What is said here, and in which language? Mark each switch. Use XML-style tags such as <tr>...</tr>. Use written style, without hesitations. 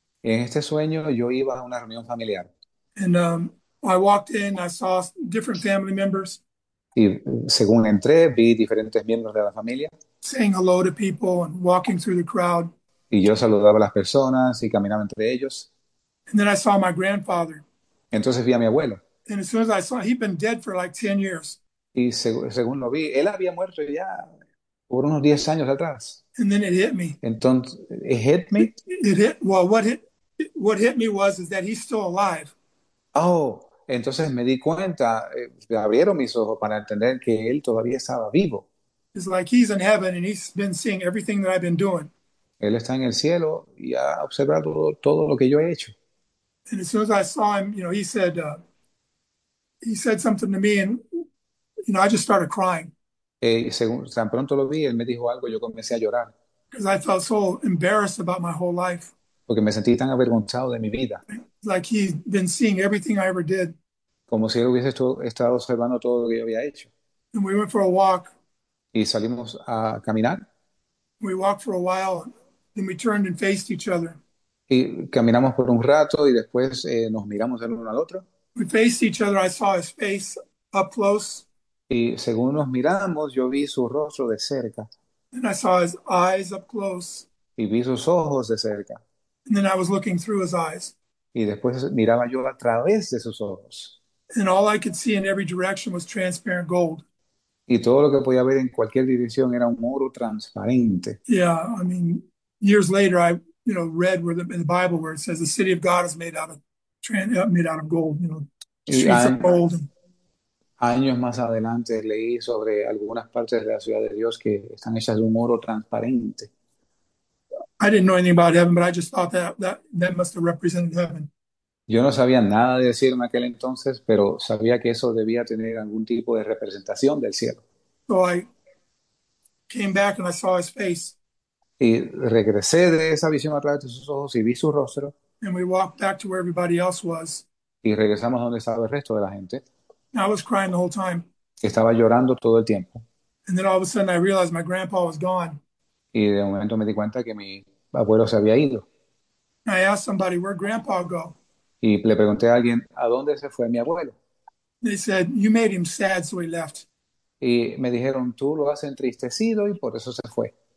<es>En este sueño yo iba a una reunión familiar.</es> <en>And I walked in, I saw different family members</en> <es>Y según entré, vi diferentes miembros de la familia.</es> <en>saying hello to people and walking through the crowd.</en> <es>Y yo saludaba a las personas y caminaba entre ellos.</es> <en>And then I saw my grandfather.</en> <es>Entonces vi a mi abuelo.</es> <en>And as soon as I saw, he'd been dead for like 10 years.</en> <es>Y según lo vi, él había muerto ya por unos 10 años atrás.</es> <en>And then it hit me.</en> <es>Entonces,</es> <en>it hit me. It hit, well, what hit me was is that he's still alive.</en> <es>Oh, entonces me di cuenta, abrieron mis ojos para entender que él todavía estaba vivo.</es> <en>It's like he's in heaven and he's been seeing everything that I've been doing.</en> <es>Él está en el cielo y ha observado todo lo que yo he hecho.</es> <en>And as soon as I saw him, you know, he said something to me, and you know, I just started crying</en> <es>Y según tan pronto lo vi, él me dijo algo, yo comencé a llorar.</es> <en>because I felt so embarrassed about my whole life.</en> <es>Porque me sentí tan avergonzado de mi vida.</es> <en>Like he's been seeing everything I ever did.</en> <es>Como si él hubiese estado observando todo lo que yo había hecho.</es> <en>And we went for a walk.</en> <es>Y salimos a caminar.</es> <en>We walked for a while, then we turned and faced each other.</en> <es>Y caminamos por un rato y después nos miramos el uno al otro.</es> <en>We faced each other. I saw his face up close.</en> <es>Y según nos miramos, yo vi su rostro de cerca.</es> <en>And I saw his eyes up close.</en> <es>Y vi sus ojos de cerca.</es> <en>And then I was looking through his eyes.</en> <es>Y después miraba yo a través de sus ojos.</es> <en>And all I could see in every direction was transparent gold.</en> <es>Y todo lo que podía ver en cualquier dirección era un oro transparente.</es> <en>Yeah, I mean, years later, I, read where in the Bible where it says the city of God is made out of gold,</en> <es>Y</es> <en>streets of gold. And,</en> <es>años más adelante leí sobre algunas partes de la ciudad de Dios que están hechas de un oro transparente.</es> <en>I didn't know anything about heaven, but I just thought that must have represented heaven.</en> <es>Yo no sabía nada de decirme aquel entonces, pero sabía que eso debía tener algún tipo de representación del cielo.</es> <en>So I came back and I saw his face.</en> <es>Y regresé de esa visión a través de sus ojos y vi su rostro.</es> <en>And we walked back to where everybody else was.</en> <es>Y regresamos donde estaba el resto de la gente.</es> <en>And I was crying the whole time.</en> <es>Estaba llorando todo el tiempo.</es> <en>And then all of a sudden I realized my grandpa was gone.</en> <es>Y de momento me di cuenta que mi abuelo se había ido.</es> <en>I asked somebody, where'd grandpa go?</en> <es>Y le pregunté a alguien, ¿a dónde se fue mi abuelo?</es> <en>They said, you made him sad, so he left.</en> <es>Y me dijeron, tú lo has entristecido y por eso se fue.</es>